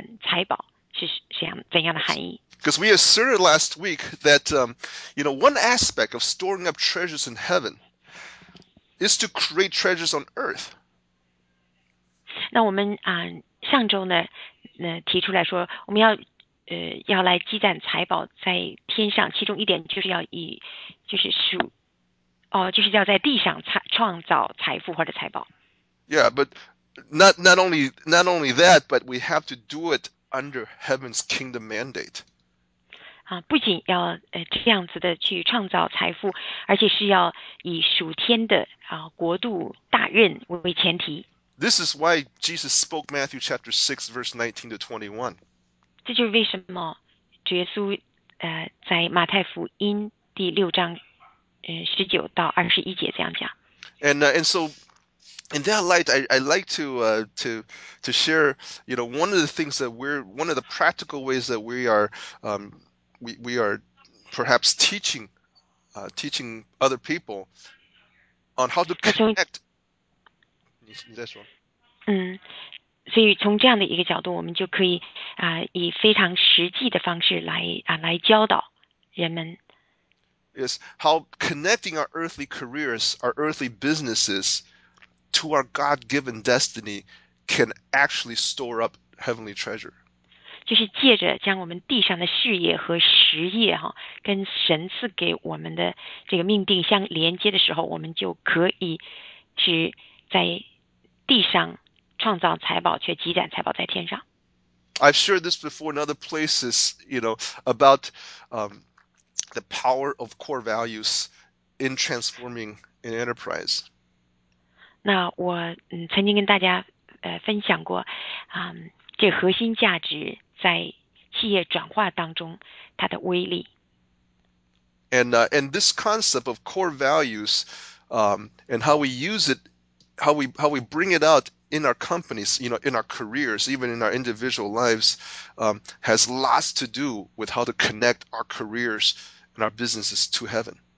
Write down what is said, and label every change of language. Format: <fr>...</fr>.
<zh>我就是在这种情况下觉得里面有一种感动，说要来分享一个非常实际的方式来分享，到底在地上积攒财宝是怎样的含义。</zh> <en>Because we asserted last week that, you know, one aspect of storing up treasures in heaven is to create treasures on earth.</en> <zh>那我们上周呢提出来说，我们要来积攒财宝在天上，其中一点就是要在地上创造财富或者财宝。</zh> <en>Yeah, but not only that, but we have to do it under heaven's kingdom mandate.</en> <zh>不仅要这样子的去创造财富，而且是要以属天的国度大任为前提。</zh> <en>This is why Jesus spoke Matthew chapter 6, verse 19 to 21.</en> <zh>这就是为什么主耶稣在马太福音第六章19到21节这样讲。</zh> <en>And so in that light, I like to share, one of the things that we're one of the practical ways that we are we are perhaps teaching other people on how to connect. That's wrong.</en> <zh>所以从这样的一个角度，我们就可以以非常实际的方式来教导人们。</zh> <en>Is how connecting our earthly careers, our earthly businesses to our God-given destiny can actually store up heavenly treasure.</en> <zh>就是借着将我们地上的事业和实业跟神赐给我们的这个命定相连接的时候，我们就可以是在地上创造财宝，却积攒财宝在天上。</zh> <en>I've shared this before in other places, about the power of core values in transforming an enterprise.</en> <zh>那我曾经跟大家分享过，这核心价值在企业转化当中它的威力。</zh> <en>And this concept of core values, and how we use it, how we bring it out in our companies, in our careers, even in our individual lives, has lots to do with how to connect our careers and our businesses to heaven.</en>